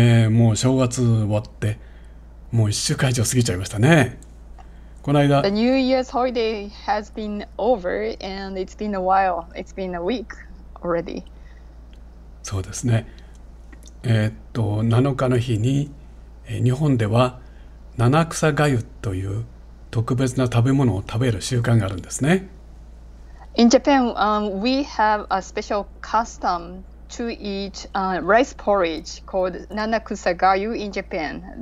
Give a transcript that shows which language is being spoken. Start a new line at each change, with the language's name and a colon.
Japanese: もう正月終わって、もう1週間以上過ぎちゃいましたね。この間、
English: The New Year's holiday has been over and it's been a while. It's been a week already.
Japanese: そうですね。 7日の日に、日本では七草粥という特別な食べ物を食べる習慣があるんですね。
English: In Japan, we have a special custom to eat rice porridge called Nanakusa Gayu in Japan.